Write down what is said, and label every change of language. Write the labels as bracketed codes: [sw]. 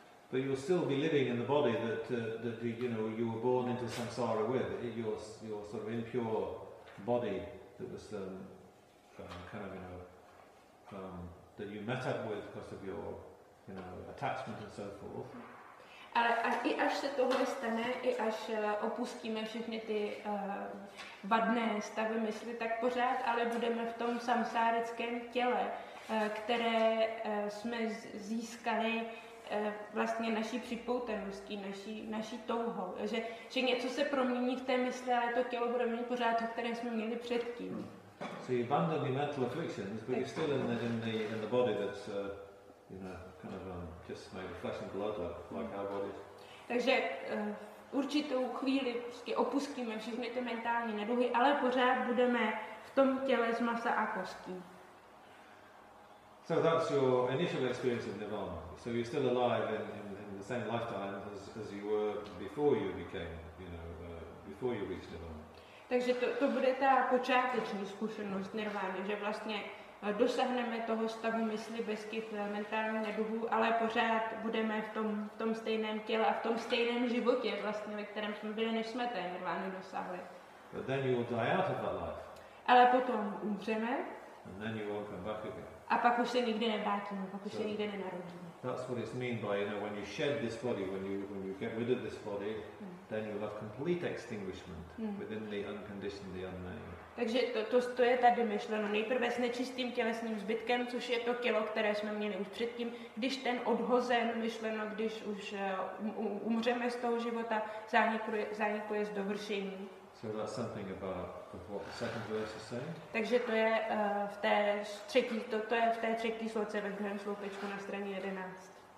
[en] But you'll still be living in the body that you know you were born into samsara with. Your sort of impure body that was kind of, you know, that you met up with because of your, you know, attachment and so forth. [cs] Ale i až se tohle stane, i až opustíme všechny ty vadné stavy mysli, tak pořád ale budeme v tom samsárickém těle, které jsme získali vlastně naší připouteností, naší touhou, že něco se promění v té mysli, ale to tělo bude mít pořád to, které jsme měli předtím. [en] So you abandon the mental afflictions, but you're still in the body that's you know, kind of just made of flesh and blood, like our bodies. [cs] Takže určitou chvíli opustíme všechny ty mentální neduhy, ale pořád budeme v tom těle z masa a kostí. [en] So that's your initial experience of nirvana. So you're still alive in the same lifetime as you were before you became, you know, before you reached nirvana. [cs] Takže to bude ta počáteční zkušenost nirvány, že vlastně dosáhneme toho stavu mysli bez těch mentálních neduhů, ale pořád budeme v tom stejném těle a v tom stejném životě, vlastně, ve kterém jsme byli, než jsme té nirvány dosáhli. [en] But then you will die out of that life. [cs] Ale potom umřeme. [en] And then you won't come back again. [cs] A pak už se nikdy nevrátíme, pak už se nikdy nenarodíme. [en] That's what it's mean by, you know, when you shed this body, when you get rid of this body, then you'll have complete extinguishment within the unconditionally unknown. [cs] Takže to je tady myšleno. Nejprve s nečistým tělesným zbytkem, což je to tělo, které jsme měli už předtím, když ten odhozen myšleno, když už umřeme z toho života, zánikuje z dovršení. [en] So that's something about what the second verse is saying. [cs] Takže to je v té třetí, to je v té třetí sloce ve druhém sloupečku na straně 11.